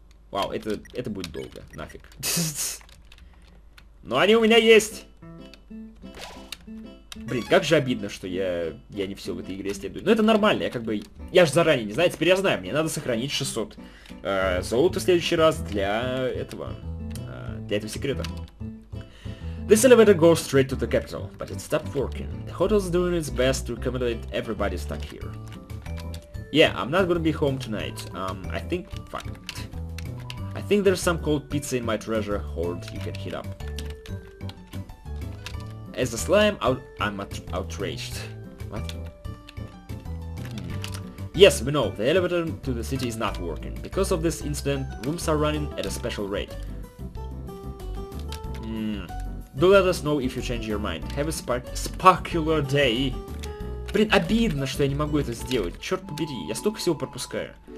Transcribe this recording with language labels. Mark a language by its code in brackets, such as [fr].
[ru] Вау, это будет долго, нафиг. Но они у меня есть! Блин, как же обидно, что я не все в этой игре исследую. Но это нормально, я как бы... Я же заранее не знаю, теперь я знаю, мне надо сохранить 600 золота в следующий раз для этого... для этого секрета. [en] This elevator goes straight to the capital, but it stopped working. The hotel's doing its best to accommodate everybody stuck here. Yeah, I'm not gonna be home tonight. I think... Fuck. I think there's some cold pizza in my treasure hoard you can hit up. As a slime, I'm outraged. What? Yes, we know, the elevator to the city is not working. Because of this incident, rooms are running at a special rate. Do let us know if you change your mind. Have a spectacular day! [ru] Блин, обидно, что я не могу это сделать. Черт побери, я столько всего пропускаю.